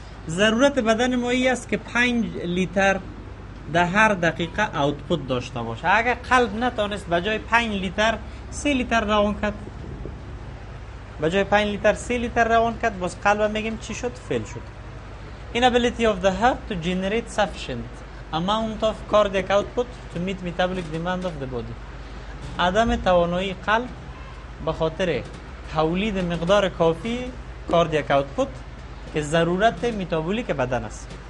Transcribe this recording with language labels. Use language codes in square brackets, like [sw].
[fa] ضرورت بدن ما این است که 5 لیتر در هر دقیقه آوتپوت داشته باشه. اگر قلب نتونست به جای 5 لیتر 3 لیتر روان کرد، به جای 5 لیتر 3 لیتر روان کرد، باز قلب میگیم چی شد؟ فیل شد. [en] inability of the heart to generate sufficient amount of cardiac output to meet metabolic demand of the body. [fa] عدم توانایی قلب به خاطر تولید مقدار کافی cardiac output که ضرورت متابولیک بدن است.